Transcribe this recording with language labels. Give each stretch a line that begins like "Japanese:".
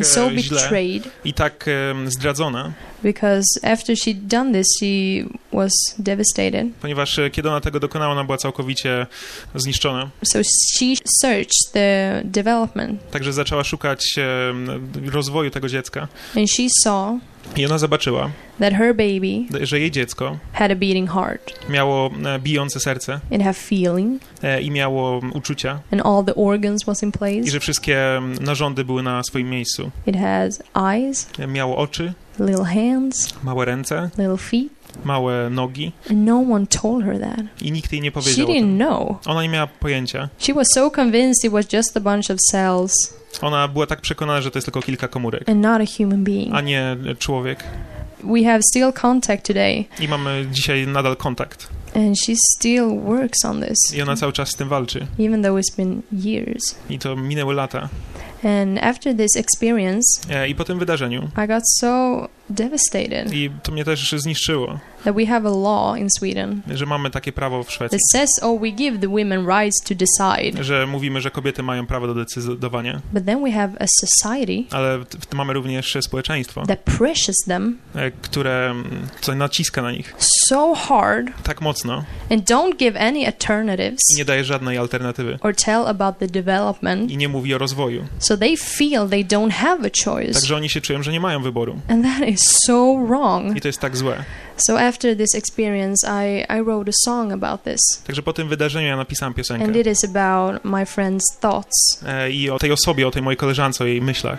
Polish: źle
English: betrayed.
Polish: I tak zdradzona.
English: Because after she'd done this, she was devastated.
Polish: Ponieważ kiedy ona tego dokonała, ona była całkowicie zniszczona.
English: So she searched the development.
Polish: Także zaczęła szukać rozwoju tego dziecka.
English: And she saw.
Polish: I ona zobaczyła,
English: that her baby,
Polish: że jej dziecko
English: had a beating heart,
Polish: miało bijące serce,
English: it had feeling,
Polish: i miało uczucia,
English: and all the organs was in place,
Polish: i że wszystkie narządy były na swoim miejscu.
English: It has eyes,
Polish: miało oczy,
English: little hands,
Polish: małe ręce,
English: little feet,
Polish: małe nogi.
English: And no one told her that.
Polish: I nikt jej nie powiedział.
English: She didn't know.
Polish: Ona nie miała pojęcia.
English: She was so convinced it was just a bunch of cells.
Polish: Ona była tak przekonana, że to jest tylko kilka komórek.
English: And not a human being.
Polish: A nie człowiek.
English: We have still contact today.
Polish: I mamy dzisiaj nadal kontakt.
English: And she still works on this.
Polish: I ona cały czas z tym walczy.
English: Even though it's been years.
Polish: I to minęły lata.
English: And after this experience,
Polish: i po tym wydarzeniu,
English: I got so devastated.
Polish: I to mnie też zniszczyło.
English: That we have a law in Sweden.
Polish: Że mamy takie prawo w Szwecji.
English: That says, oh, we give the women rights to decide.
Polish: Że mówimy, że kobiety mają prawo do decydowania.
English: But then we have a society.
Polish: Ale mamy również społeczeństwo.
English: That pressures them.
Polish: Które coś naciska na nich.
English: So hard.
Polish: Tak mocno.
English: And don't give any alternatives.
Polish: Nie daje żadnej alternatywy.
English: Or tell about the development.
Polish: I nie mówi o rozwoju.
English: So they feel they don't have a choice.
Polish: Także oni się czują, że nie mają wyboru.
English: And that is so wrong.
Polish: I to jest tak złe.
English: So after this experience, I wrote a song about this.
Polish: Także po tym wydarzeniu ja napisałem piosenkę.
English: And it is about my friend's thoughts.
Polish: I o tej osobie, o tej mojej koleżance, o jej myślach.